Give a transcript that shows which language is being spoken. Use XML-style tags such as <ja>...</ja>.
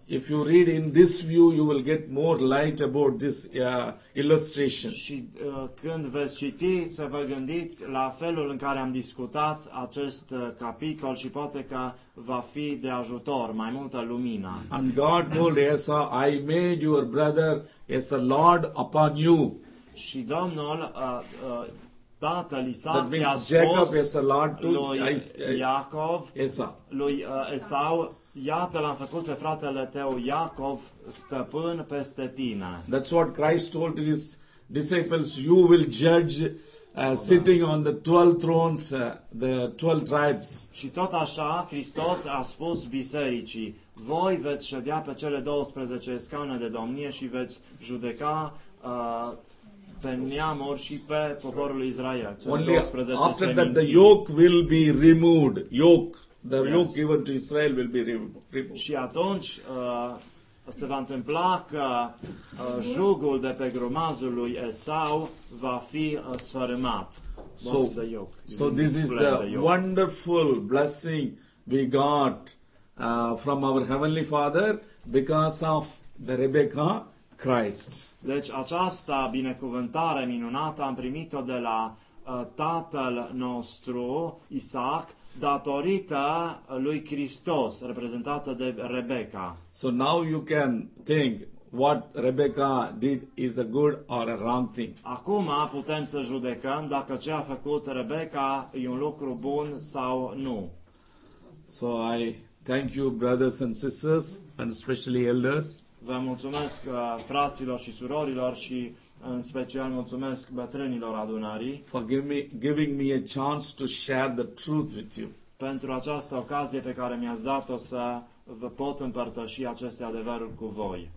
<en>If you read in this view, you will get more light about this illustration.</en> <ro>Și când veți citi, să vă gândiți la felul în care am discutat acest capitol și poate că va fi de ajutor, mai multă lumină.</ro> <en>And God told Esa, I made your brother as a lord upon you.</en> <ro>Și Domnul tatăl Isaac,</ro> <en>that means Jacob is a lord to</en> <ro>Iacov,</ro> <en>Esau.</en> <ro>Lui Esau, iată l-am făcut pe fratele tău Iacov stăpân peste tine.</ro> <en>That's what Christ told his disciples, you will judge sitting on the 12 thrones, the 12 tribes.</en> <ro>Și tot așa Hristos a spus bisericii, voi veți ședea pe cele 12 scaune de domnie și veți judeca pe neamuri și pe poporul Israel.</ro> <en>Only after that the yoke will be removed. Yoke given to Israel will be removed.</en> <ro>Și atunci se va întâmpla că jugul de pe grumazul lui Esau va fi sfărâmat.</ro> <en>So this is the wonderful blessing we got from our Heavenly Father because of the Rebecca Christ.</en> <ro>Deci această binecuvântare minunată am primit-o de la tatăl nostru Isaac datorită lui Hristos, reprezentată de Rebecca.</ro> <en>So now you can think what Rebecca did is a good or a wrong thing.</en> <ro>Acum putem să judecăm dacă ce a făcut Rebecca e un lucru bun sau nu.</ro> <en>So I thank you brothers and sisters and especially elders.</en> <ro>Vă mulțumesc fraților și surorilor și în special mulțumesc bătrânilor adunării</ro> <en>for giving me a chance to share the truth with you.</en> <ro>Pentru această ocazie pe care mi-ați dat-o să vă pot împărtăși aceste adevăruri cu voi.</ro>